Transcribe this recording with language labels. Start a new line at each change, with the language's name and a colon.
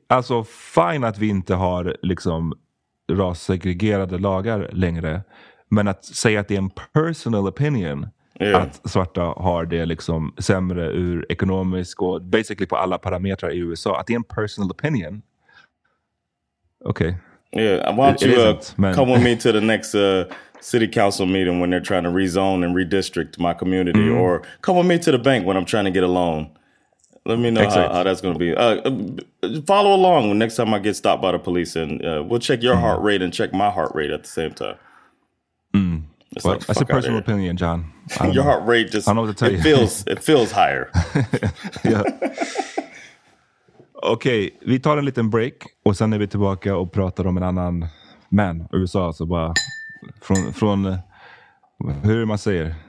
Swedish: Alltså fine att vi inte har liksom rassegregerade lagar längre. Men att säga att det är en
English: personal opinion,
Swedish: yeah, att svarta har det liksom sämre ur ekonomisk och basically på alla parametrar i USA, att det är en personal opinion. Okej.
English: Okay. Yeah, why don't you come with me to the next city council meeting when they're trying to rezone and redistrict my community, or come with me to the bank when I'm trying to get a loan. Let me know how that's going to be. Follow along when next time I get stopped by the police, and we'll check your heart rate and check my heart rate at the same time. It's well, like, that's a personal opinion, John. Your heart rate just, I don't know what to tell you. it feels higher. Yeah.
Swedish: Okej, vi tar en liten break och sen är vi tillbaka och pratar om en annan man, USA, så bara från hur man säger